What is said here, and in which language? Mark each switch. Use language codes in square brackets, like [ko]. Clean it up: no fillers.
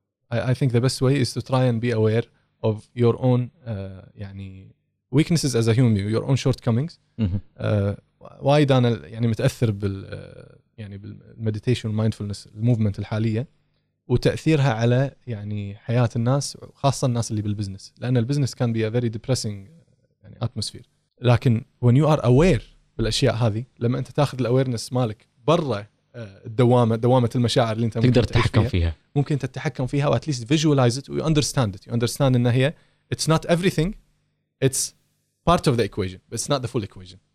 [en] I think the best way is to try and be aware of your own يعني weaknesses as a human being, your own shortcomings. [ar] وايد أنا يعني متأثر بال يعني بال [en] meditation mindfulness movement [ar] الحالية وتأثيرها على يعني حياة الناس, خاصة الناس اللي بالبزنس, لأن البزنس [en] can be a very depressing [ar] يعني atmosphere. لكن [en] when you are aware [ar] بالأشياء هذه, لما أنت تأخذ الawareness مالك برا دوامة المشاعر اللي انت تقدر تتحكم فيها, ممكن تتحكم فيها [en] و at least visualize it, you understand it, you understand [ar] انها هي [en] it's not everything, it's part of the equation, but it's not the full equation.